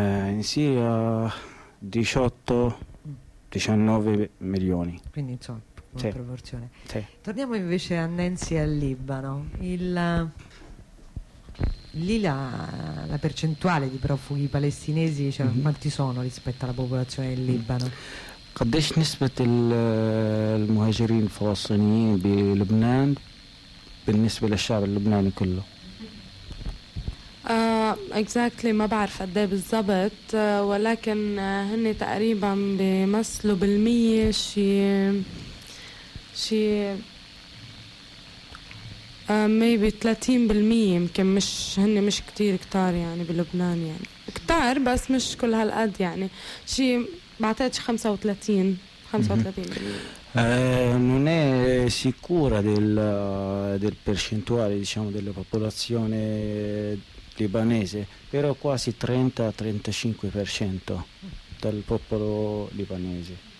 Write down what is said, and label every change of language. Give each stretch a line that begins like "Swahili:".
Italian: In Siria 18-19 milioni. Quindi insomma. Sì. Proporzione. Sì. Torniamo invece a Nancy al Libano. Lì la percentuale di profughi palestinesi, cioè mm-hmm. quanti sono rispetto alla popolazione del Libano?
Arabic: قديش نسبة المهاجرين الفلسطينيين بلبنان بالنسبة للشعب اللبناني كله؟ Exactly ما بعرف قديه بالضبط ولكن هن تقريبا بمثلوا بالمية شي maybe 30% يمكن مش كتير كتار يعني بلبنان يعني كتار بس مش كل هالقد يعني شي بعتقد 35%
Italian: non è sicura del percentuale diciamo della popolazione libanese però quasi 30-35% del popolo libanese